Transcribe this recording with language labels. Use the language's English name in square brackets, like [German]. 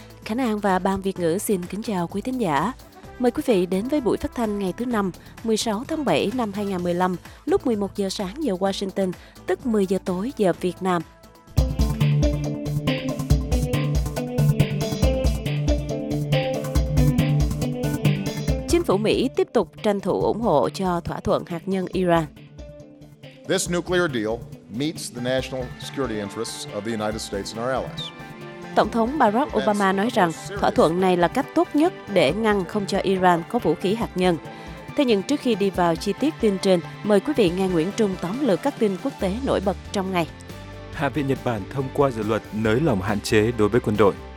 [Vietnamese] Khánh An và Ban Việt Ngữ xin kính chào quý thính giả. Mời quý vị đến với buổi phát thanh ngày thứ Năm, 16 tháng 7 năm 2015, lúc 11 giờ sáng giờ Washington, tức 10 giờ tối giờ Việt Nam. Chính phủ Mỹ tiếp tục tranh thủ ủng hộ cho thỏa thuận hạt nhân Iran. [English] This nuclear deal meets the national security interests of the United States and our allies. [Vietnamese] Tổng thống Barack Obama nói rằng thỏa thuận này là cách tốt nhất để ngăn không cho Iran có vũ khí hạt nhân. Thế nhưng trước khi đi vào chi tiết tin trên, mời quý vị nghe Nguyễn Trung tóm lược các tin quốc tế nổi bật trong ngày. Hạ viện Nhật Bản thông qua dự luật nới lỏng hạn chế đối với quân đội.